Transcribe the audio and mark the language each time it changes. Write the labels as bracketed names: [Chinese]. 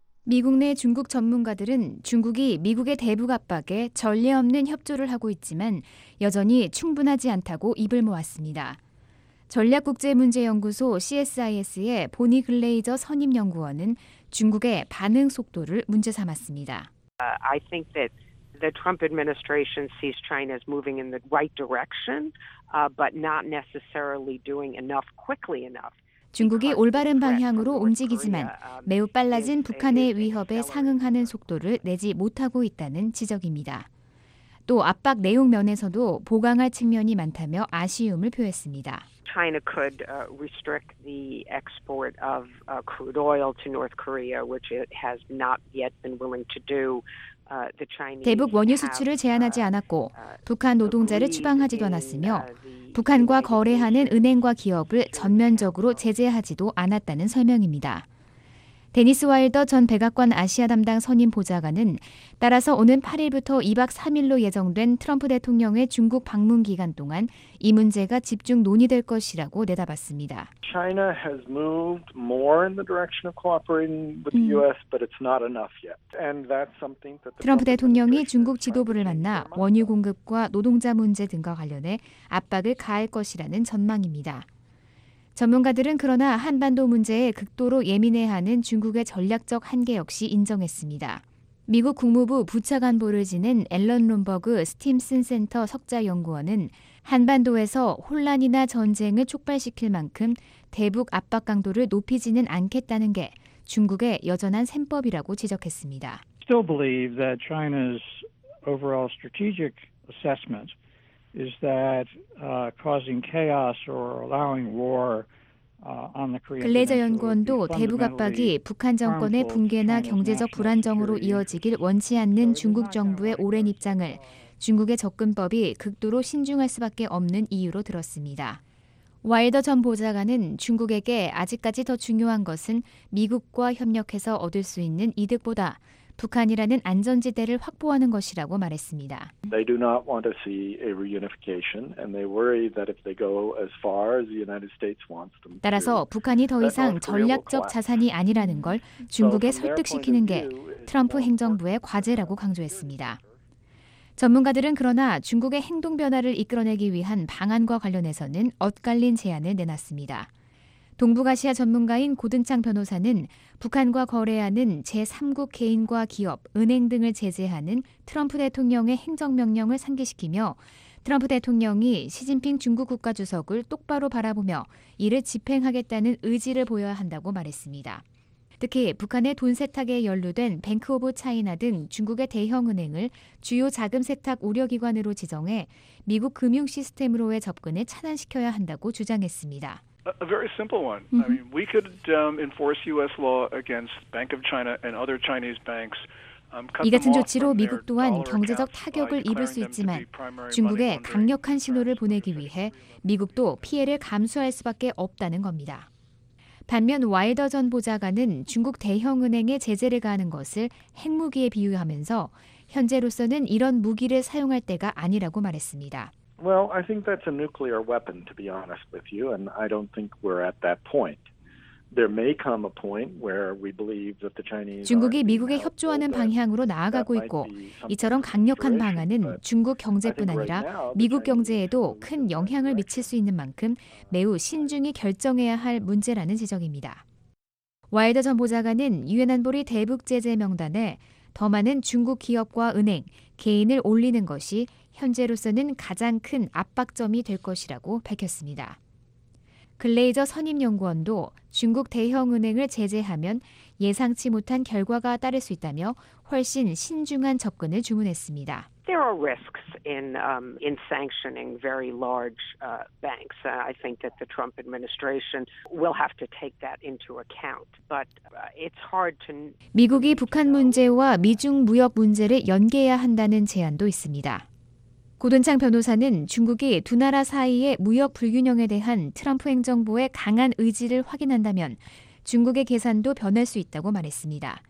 [Korean] 미국 내 중국 전문가들은 중국이 미국의 대북 압박에 전례 없는 협조를 하고 있지만 여전히 충분하지 않다고 입을 모았습니다. 전략국제문제연구소 CSIS의 보니 글레이저 선임연구원은 중국의 반응 속도를 문제 삼았습니다. [English] I think that the Trump administration sees China as moving in the right direction, but not necessarily doing enough quickly enough. [Korean] 중국이 올바른 방향으로 움직이지만 매우 빨라진 북한의 위협에 상응하는 속도를 내지 못하고 있다는 지적입니다. 또 압박 내용 면에서도 보강할 측면이 많다며 아쉬움을 표했습니다. [English] China could restrict the export of crude oil to North Korea, which it has not yet been willing to do. [Korean] 대북 원유 수출을 제한하지 않았고 북한 노동자를 추방하지도 않았으며 북한과 거래하는 은행과 기업을 전면적으로 제재하지도 않았다는 설명입니다. 데니스 와일더 전 백악관 아시아 담당 선임 보좌관은 따라서 오는 8일부터 2박 3일로 예정된 트럼프 대통령의 중국 방문 기간 동안 이 문제가 집중 논의될 것이라고 내다봤습니다. [English] China has moved more in the direction of cooperating with the US, but it's not enough yet. And that's something that [Korean] 트럼프 대통령이 중국 지도부를 만나 원유 공급과 노동자 문제 등과 관련해 압박을 가할 것이라는 전망입니다. 전문가들은 그러나 한반도 문제에 극도로 예민해하는 중국의 전략적 한계 역시 인정했습니다. 미국 국무부 부차관보를 지낸 앨런 룸버그 스팀슨 센터 석좌 연구원은 한반도에서 혼란이나 전쟁을 촉발시킬 만큼 대북 압박 강도를 높이지는 않겠다는 게 중국의 여전한 셈법이라고 지적했습니다. [English] Still believe that China's overall strategic assessment is that causing chaos or allowing war on the Korean. [Korean] 글레이저 연구원도 대북 압박이 북한 정권의 붕괴나 경제적 불안정으로 이어지길 원치 않는 중국 정부의 오랜 입장을 중국의 접근법이 극도로 신중할 수밖에 없는 이유로 들었습니다. 와일더 전 보좌관은 중국에게 아직까지 더 중요한 것은 미국과 협력해서 얻을 수 있는 이득보다 북한이라는 안전지대를 확보하는 것이라고 말했습니다. [English] They do not want to see a reunification and they worry that if they go as far as the United States wants them to. [Korean] 따라서 북한이 더 이상 전략적 자산이 아니라는 걸 중국에 설득시키는 게 트럼프 행정부의 과제라고 강조했습니다. 전문가들은 그러나 중국의 행동 변화를 이끌어내기 위한 방안과 관련해서는 엇갈린 제안을 내놨습니다. 동북아시아 전문가인 고든창 변호사는 북한과 거래하는 제3국 개인과 기업, 은행 등을 제재하는 트럼프 대통령의 행정명령을 상기시키며 트럼프 대통령이 시진핑 중국 국가주석을 똑바로 바라보며 이를 집행하겠다는 의지를 보여야 한다고 말했습니다. 특히 북한의 돈 세탁에 연루된 뱅크 오브 차이나 등 중국의 대형은행을 주요 자금 세탁 우려기관으로 지정해 미국 금융 시스템으로의 접근을 차단시켜야 한다고 주장했습니다. [English] A very simple one. I mean, we could enforce U.S. law against Bank of China and other Chinese banks. [Korean] 이 같은 조치로 미국 또한 경제적 타격을 입을 수 있지만 중국에 강력한 신호를 보내기 위해 미국도 피해를 감수할 수밖에 없다는 겁니다. 반면 와일더 전 보좌관은 중국 대형은행에 제재를 가하는 것을 핵무기에 비유하면서 현재로서는 이런 무기를 사용할 때가 아니라고 말했습니다. [English] Well, I think that's a nuclear weapon, to be honest with you, and I don't think we're at that point. There may come a point where we believe that the Chinese. [Korean] 중국이 미국에 협조하는 방향으로 나아가고 있고, 이처럼 강력한 방안은 중국 경제뿐 아니라 미국 경제에도 큰 영향을 미칠 수 있는 만큼 매우 신중히 결정해야 할 문제라는 지적입니다. 와일더 전 보좌관은 유엔 안보리 대북 제재 명단에 더 많은 중국 기업과 은행, 개인을 올리는 것이 현재로서는 가장 큰 압박점이 될 것이라고 밝혔습니다. 글레이저 선임연구원도 중국 대형은행을 제재하면 예상치 못한 결과가 따를 수 있다며 훨씬 신중한 접근을 주문했습니다. [English] There are risks in sanctioning very large banks. I think that the Trump administration will have to take that into account. But it's hard to [Korean] 미국이 북한 문제와 미중 무역 문제를 연계해야 한다는 제안도 있습니다. 고든창 변호사는 중국이 두 나라 사이의 무역 불균형에 대한 트럼프 행정부의 강한 의지를 확인한다면 중국의 계산도 변할 수 있다고 말했습니다.